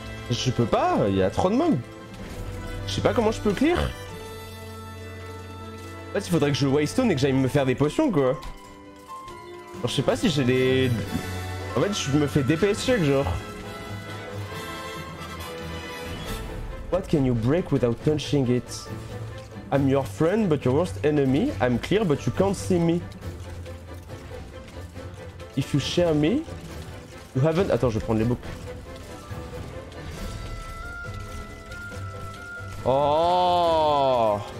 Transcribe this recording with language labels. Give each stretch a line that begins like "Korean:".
French: Je peux pas, il y a trop de mobs. Je sais pas comment je peux clear. En fait, il faudrait que je
English: waste stone
French: et que j'aille me faire des potions, quoi. Genre, je sais pas si j'ai des... En fait, je me fais DPS chaque genre.
English: What can you break without touching it? I'm your friend, but your worst enemy. I'm clear, but you can't see me. If you share me, you haven't...
French: Attends, je vais prendre les boucles. Oh!